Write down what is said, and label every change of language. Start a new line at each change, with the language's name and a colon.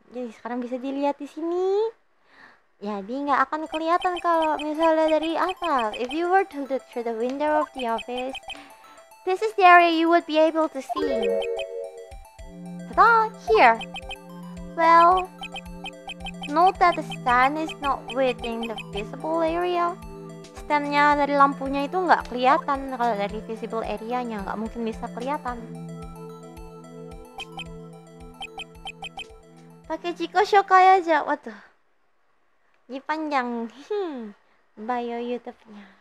Indonesian: Jadi sekarang bisa dilihat di sini. Ya, dia nggak akan kelihatan kalau misalnya dari atas.
English: If you were to look through the window of the office, this is the area you would be able to see. Ta-da! Here. Well, note that the stand is not within the visible area.
Indonesian: Standnya dari lampunya itu nggak kelihatan kalau dari visible area-nya, nggak mungkin bisa kelihatan. Pakai Chico Shokai aja, waduh. Ini panjang, bio YouTube-nya.